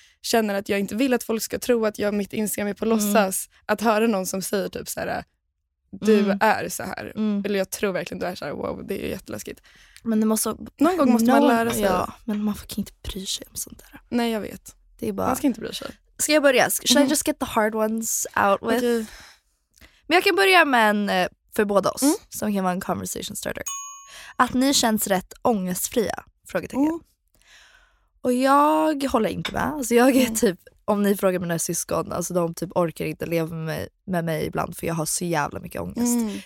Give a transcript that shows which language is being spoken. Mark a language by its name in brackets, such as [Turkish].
[Swedish] känner att jag inte vill att folk ska tro att jag mitt Instagram är på låtsas. Att höra någon som säger typ så här, du är så här. Eller jag tror verkligen du är så här. Wow, det är jätteläskigt. Men det måste... Någon gång måste man lära sig. Ja, men man får inte bry sig om sånt där. Nej, jag vet. Det är bara... Man ska inte bry sig. Ska jag börja? [English] Should I just get the hard ones out with? Okay. [Swedish] Men jag kan börja med en för båda oss. Som kan vara en conversation starter. Att ni känns rätt ångestfria? Frågetecken. Och jag håller inte med. Alltså jag är typ, om ni frågar mina syskon, alltså de typ orkar inte leva med mig ibland, för jag har så jävla mycket ångest. Mm.